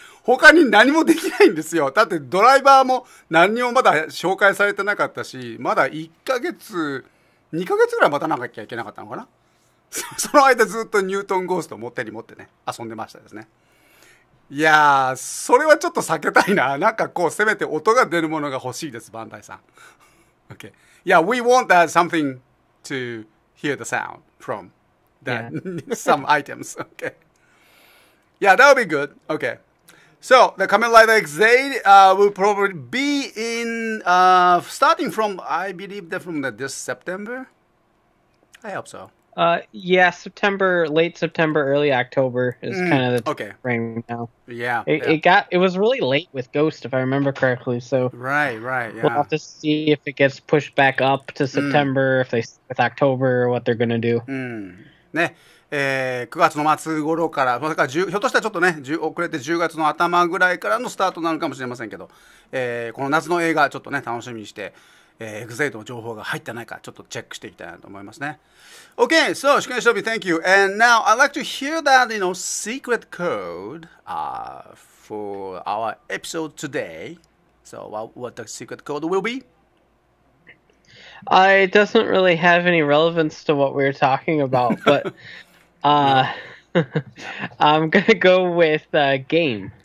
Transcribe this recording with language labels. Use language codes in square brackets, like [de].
[ja] 他に何もできないんですよ。だってドライバーも何にもまだ紹介されてなかったしまだ1ヶ月2ヶ月ぐらい待たなきゃいけなかったのかな。その間ずっとニュートンゴーストを手に持ってね遊んでましたですね。いやー、それはちょっと避けたいな。なんかこう、せめて音が出るものが欲しいです、バンダイさん。 [en] Okay. Yeah, we want that something to hear the sound from the, yeah. some items. Okay. Yeah, that would be good. Okay. So, the Kamen Rider X8 will probably be in, starting from, I believe, from this September? I hope so. Yeah, September, late September, early October is kind of the frame now. It was really late with Ghost, if I remember correctly, so... Right, yeah. We'll have to see if it gets pushed back up to September, if they stick with October, or what they're gonna do. [ja] ね、9月の末頃から、まさか10、ひょっとしたらちょっとね、遅れて10月の頭ぐらいからのスタートなのかもしれませんけど、この夏の映画、ちょっとね、楽しみにして、Exit の情報が入ってないかちょっとチェックしていきたいなと思いますね。 [en] Okay, so Shukuenshinobi, thank you. And now I'd like to hear that, you know, secret code for our episode today. So what the secret code will be? It doesn't really have any relevance to what we're talking about, but I'm gonna go with game.